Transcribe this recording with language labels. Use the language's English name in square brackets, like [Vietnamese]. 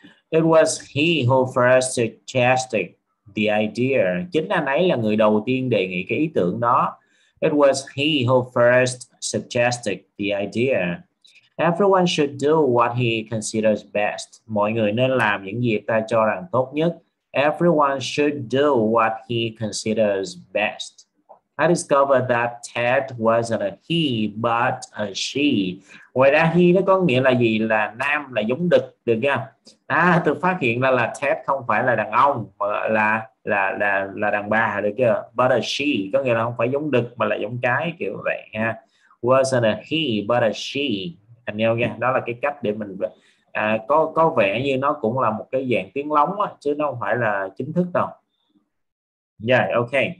[English] It was he who first suggested the idea. [Vietnamese] Chính anh ấy là người đầu tiên đề nghị cái ý tưởng đó. [English] It was he who first suggested the idea. Everyone should do what he considers best. [Vietnamese] Mọi người nên làm những gì ta cho rằng tốt nhất. [English] Everyone should do what he considers best. I discovered that Ted wasn't a he, but a she. [Vietnamese] Ngoài ra he nó có nghĩa là gì? Là nam, là giống đực, được không? À, tôi phát hiện ra là Ted không phải là đàn ông, mà là đàn bà, được chưa? [English] But a she, [Vietnamese] có nghĩa là không phải giống đực, mà là giống cái, kiểu vậy ha. [English] Wasn't a he, but a she. [Vietnamese] Anh hiểu nha, đó là cái cách để mình có vẻ như nó cũng là một cái dạng tiếng lóng á, chứ nó không phải là chính thức đâu. Yeah, ok.